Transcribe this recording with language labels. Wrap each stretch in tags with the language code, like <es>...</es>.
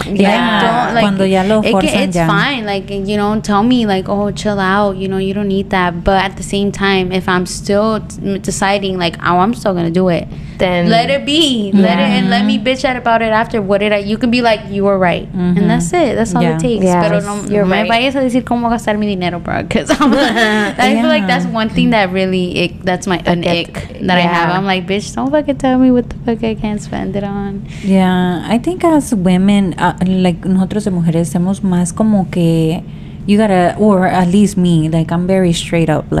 <en>Yeah. Like, fine. Like, you know, tell me like, oh, chill out. You know, you don't need that. But at the same time, if I'm still deciding like, oh, I'm still going to do it, then let it be. And let me bitch out about it after. What did I? You can be like, you were right. Mm-hmm. And that's it. That's all it takes. Yeah.</en> <es>Vayas a decir cómo gastar mi dinero, bro.</es> <en>Because I'm like, I feel like that's one thing that really, that's my ick that I have. I'm like, bitch, don't fucking tell me what the fuck I can't spend it on. Yeah. I think as women, like,</en> <es>nosotros de mujeres, somos más como que,</es> <en>you gotta, or at least me, like, I'm very straight up.</en>